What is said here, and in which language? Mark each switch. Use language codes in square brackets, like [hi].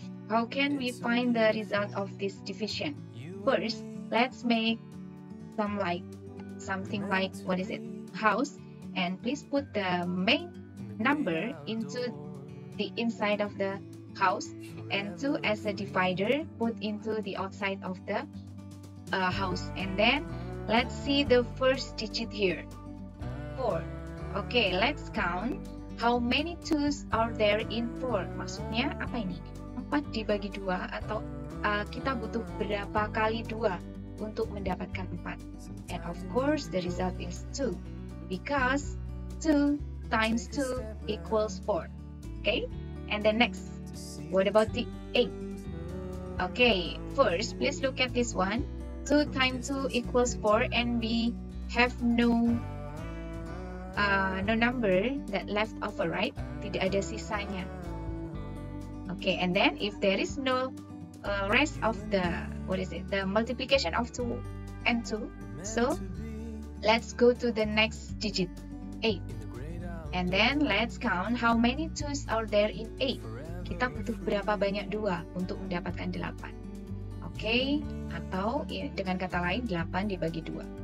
[en] How can we find the result of this division? First, let's make something like what is it, house, and please put the main number into the inside of the house, and 2 as a divider put into the outside of the house. And then let's see the first digit here, 4. Okay, let's count how many 2s are there in 4. [id] Maksudnya apa ini, 4 dibagi 2 atau kita butuh berapa kali 2 untuk mendapatkan 4? [en] And of course the result is 2, because 2 times 2 equals 4. Okay, and then next, what about the 8? Okay, first, please look at this one. 2 times 2 equals 4, and we have no number that left over, right? [id] Tidak ada sisanya. [en] Okay, and then if there is no rest of the, what is it, the multiplication of 2 and 2, so let's go to the next digit, 8. And then let's count how many 2s are there in 8. [id] Kita butuh berapa banyak 2 untuk mendapatkan 8. Oke, okay? Atau ya, dengan kata lain 8 dibagi 2.